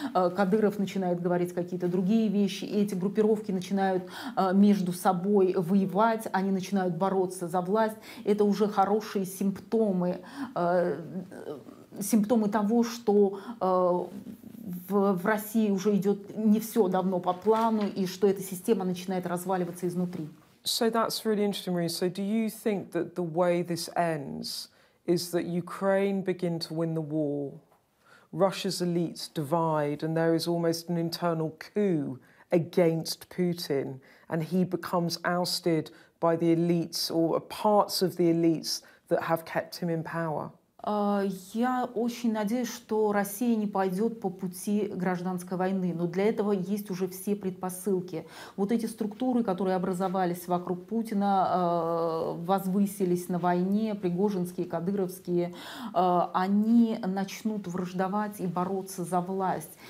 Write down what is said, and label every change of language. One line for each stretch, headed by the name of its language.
Russian: Кадыров начинает говорить какие-то другие вещи. И эти группировки начинают между собой воевать, они начинают бороться за власть. Это уже хорошие симптомы того, что в России уже идет не все давно по плану, и что эта система начинает разваливаться изнутри.
English: So that's really interesting, Marie. So do you think that the way this ends is that Ukraine begin to win the war, Russia's elites divide, and there is almost an internal coup against Putin, and he becomes ousted by the elites or parts of the elites that have kept him in power?
Russian: Я очень надеюсь, что Россия не пойдет по пути гражданской войны, но для этого есть уже все предпосылки. Вот эти структуры, которые образовались вокруг Путина, возвысились на войне, пригожинские, кадыровские, они начнут враждовать и бороться за власть.